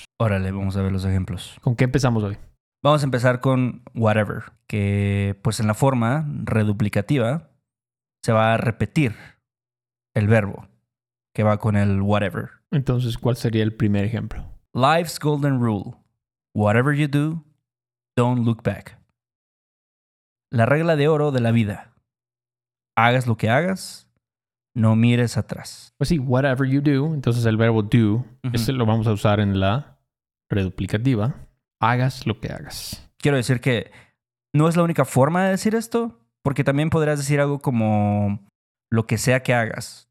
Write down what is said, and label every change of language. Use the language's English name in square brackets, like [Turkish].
[Spanish] Órale, vamos a ver los ejemplos. ¿Con qué empezamos hoy? Vamos a empezar con whatever, que pues en la forma reduplicativa se va a repetir el verbo que va con el whatever. Entonces, ¿cuál sería el primer ejemplo? [English] Life's golden rule. Whatever you do, don't look back. [Spanish] La regla de oro de la vida. Hagas lo que hagas, no mires atrás. Pues sí, [English] whatever you do. [Spanish] Entonces el verbo do, uh-huh. Ese lo vamos a usar en la reduplicativa. Hagas lo que hagas. Quiero decir que no es la única forma de decir esto, porque también podrías decir algo como lo que sea que hagas.